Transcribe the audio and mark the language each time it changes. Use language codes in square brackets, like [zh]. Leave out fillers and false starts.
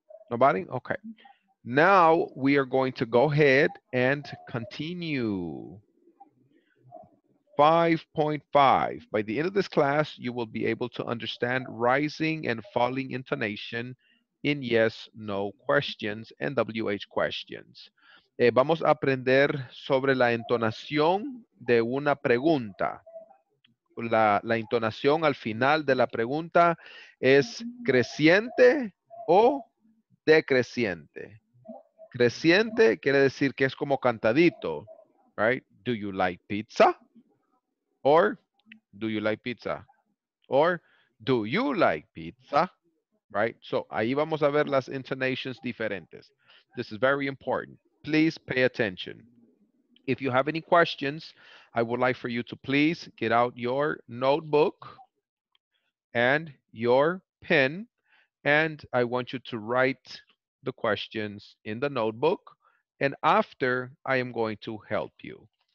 [en] Nobody? Okay. Now we are going to go ahead and continue. 5.5, by the end of this class, you will be able to understand rising and falling intonation in yes, no questions and WH questions. [es] Vamos a aprender sobre la entonación de una pregunta. La entonación al final de la pregunta es creciente o decreciente. Creciente quiere decir que es como cantadito, [en] right? Do you like pizza? Or, do you like pizza? Or, do you like pizza? Right? [es] So, ahí vamos a ver las intonations diferentes. [en] This is very important. Please pay attention. If you have any questions, I would like for you to please get out your notebook and your pen. And I want you to write the questions in the notebook. And after, I am going to help you.